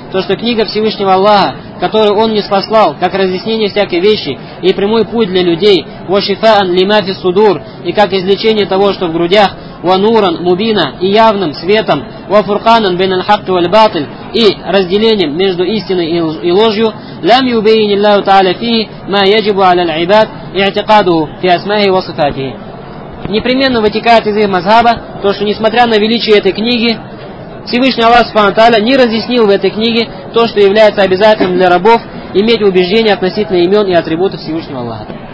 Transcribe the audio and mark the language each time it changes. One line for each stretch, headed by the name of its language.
Russian: То, что книга Всевышнего Аллаха, которую он ниспослал как разъяснение всякой вещи и прямой путь для людей,
Arabic: ва шифаан лима фи судур,
Russian: и как излечение того, что в грудях,
Arabic: ва нуран мубина,
Russian: и явным светом,
Arabic: ва фурканан бейн аль-хакки валь-батиль,
Russian: и разделением между истиной и ложью,
Arabic: لم يبين الله تعالى فيه ما يجب على العباد اعتقاده في أسمائه وصفاته.
Russian: Непременно вытекает из их мазхаба то, что несмотря на величие этой книги, Всевышний Аллах Субхану Тааля не разъяснил в этой книге то, что является обязательным для рабов иметь убеждение относительно имен и атрибутов Всевышнего Аллаха.